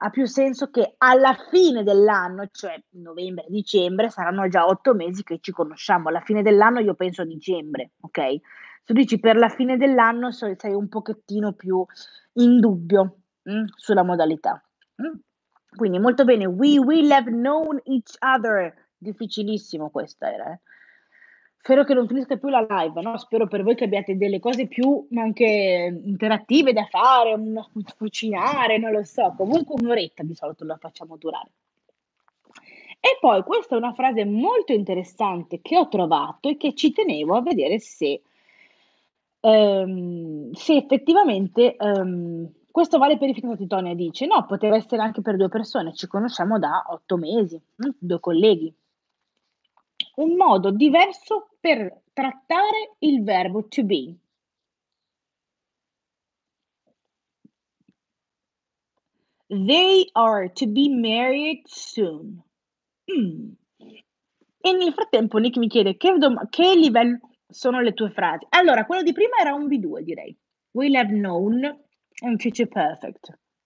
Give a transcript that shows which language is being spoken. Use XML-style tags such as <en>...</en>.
<it>Ha più senso che alla fine dell'anno, cioè novembre, dicembre, saranno già 8 mesi che ci conosciamo. Alla fine dell'anno io penso a dicembre, ok? Se dici per la fine dell'anno, sei un pochettino più in dubbio sulla modalità. Quindi molto bene.</it> <en>We will have known each other.</en> <it>Difficilissimo questa era, eh? Spero che non finisca più la live, no? Spero per voi che abbiate delle cose più, ma anche interattive da fare, un cucinare, non lo so. Comunque un'oretta di solito la facciamo durare. E poi questa è una frase molto interessante che ho trovato e che ci tenevo a vedere se effettivamente, questo vale per i fidanzati, Tonia dice, no, poteva essere anche per 2 persone, ci conosciamo da 8 mesi, 2 colleghi. Un modo diverso per trattare il verbo to be.</it> <en>They are to be married soon.</en> <it>E nel frattempo Nick mi chiede che livello sono le tue frasi. Allora, quello di prima era un B2, direi.</it> <en>We'll have known in future perfect.</en>